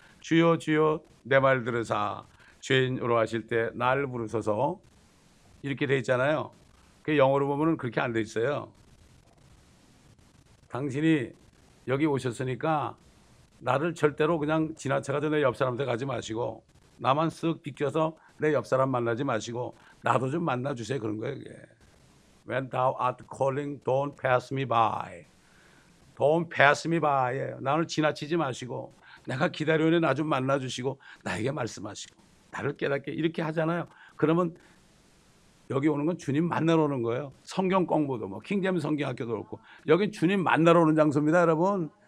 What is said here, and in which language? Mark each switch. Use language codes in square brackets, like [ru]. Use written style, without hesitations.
[ko] 주여 주여 내말 들으사 죄인 오라 하실 때날 부르소서. 이렇게 돼 있잖아요. 그 영어로 보면은 그렇게 안돼 있어요. 당신이 여기 오셨으니까 나를 절대로 그냥 지나쳐가지고 내옆 사람한테 가지 마시고 나만 쓱 비껴서 내옆 사람 만나지 마시고 나도 좀 만나 주세요. 그런 거예요, 이게. [en] When thou art calling, don't pass me by. Don't pass me by. [ko] 나를 지나치지 마시고, 내가 기다려오니 나좀 만나주시고, 나에게 말씀하시고, 나를 깨닫게. 이렇게 하잖아요. 그러면 여기 오는 건 주님 만나러 오는 거예요. 성경 공부도 뭐, 킹잼 성경 학교도 그렇고, 여기 주님 만나러 오는 장소입니다, 여러분.